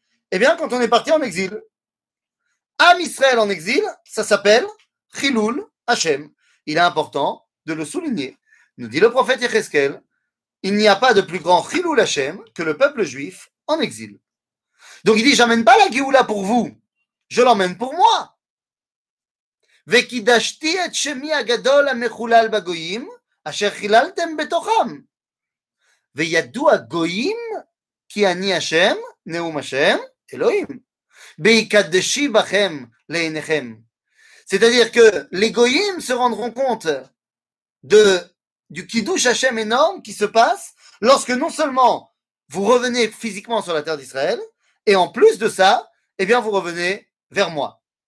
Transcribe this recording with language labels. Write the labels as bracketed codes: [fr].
[fr] Eh bien, quand on est parti en exil. Am Israël en exil, ça s'appelle chilul Hashem. Il est important de le souligner. Nous dit le prophète Hezkel, il n'y a pas de plus grand chilul Hashem que le peuple juif en exil. Donc il dit, j'amène pas la Géoula pour vous, je l'emmène pour moi. [he] וקידשתי את שמי הגדול המחולל בגויים אשר חיללתם בתוכם וידוע גויים כי אני השם נאום השם אלוהים ויקדשי בכם לעיניכם. [fr] C'est-à-dire que les goyim se rendront compte du kiddush Hashem énorme qui se passe lorsque non seulement vous revenez physiquement sur la terre d'Israël et en plus de ça, eh bien vous revenez vers moi.